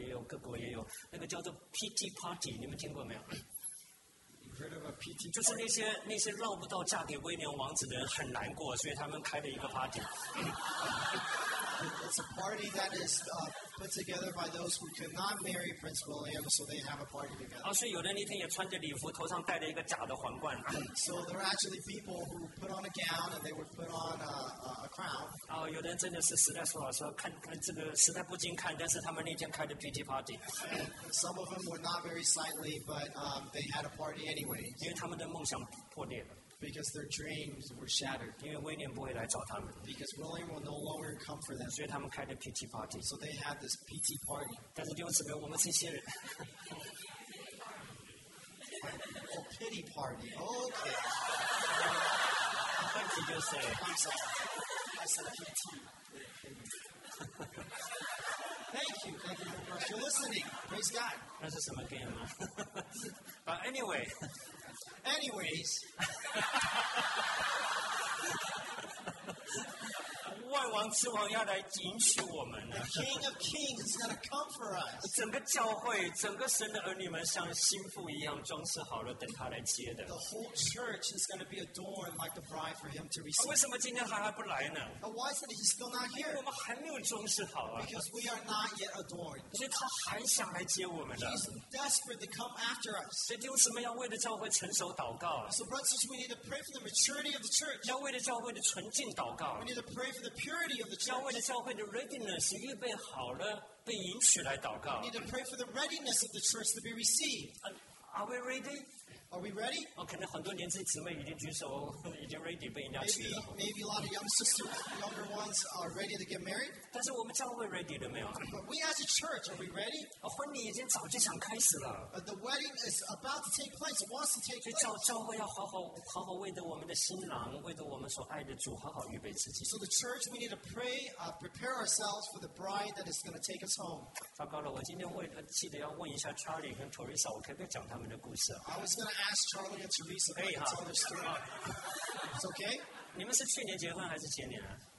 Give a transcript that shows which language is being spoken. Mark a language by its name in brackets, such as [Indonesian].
[Chinese] 然后后面呢，他找了好几个，在不同国家里面，大概美国也有，英国也有，各国也有，那个叫做 PT Party， 你们听过没有？ [English] PT [Chinese] 就是那些绕不到嫁给威廉王子的人很难过，所以他们开了一个 party。 [English] It's a party that is put together by those who cannot marry Prince William, so they have a party together. [Chinese] 所以有的那天也穿着礼服，头上戴着一个假的皇冠。 [English] So there are actually people who put on a gown and they would put on a crown. [Chinese] 哦，有的人真的是实在不好说，看看这个实在不经看，但是他们那天开的PG party. [English] Some of them were not very sightly, but they had a party anyway. [Chinese] 因为他们的梦想破裂了。 [English] Because their dreams were shattered. Because William will no longer come for them. So they had this PT party. Pity party. Okay. What did you say? I'm sorry. I said PT. Thank you. Thank you very much for listening. Praise God. That's just some game. But anyway. Anyways, [Chinese] 万王之王要来迎娶我们了。 [English] The King of Kings is going to come for us. [Chinese] 整个教会，整个神的儿女们像新妇一样装饰好了，等他来接的。 [English] The whole church is going to be adorned like the bride for him to receive. [Chinese] 为什么今天他还不来呢？ [English] Why is it he's still not here? [Chinese] 我们还没有装饰好啊。 [English] Because we are not yet adorned. [Chinese] 所以他还想来接我们的。 [English] He's desperate to come after us. [Chinese] 所以弟兄姊妹要为了教会成熟祷告。 [English] So brothers, we need to pray for the maturity of the church. [Chinese] 要为了教会的纯净祷告。 [English] We need to pray for the purity of the church. Need to pray for the readiness of the church to be received. Are we ready? Are we ready? Maybe a lot of younger ones are ready to get married. But we as a church, are we ready? The wedding is about to take place. Wants to take place. So the church, we need to pray, prepare ourselves for the bride that is going to take us home. [Chinese] 糟糕了，我今天记得要问一下Charlie跟Teresa，我可不可以讲他们的故事？ [English] I was going to ask Charlie and Teresa to tell their story. It's okay. [Chinese] 你们是去年结婚还是前年啊？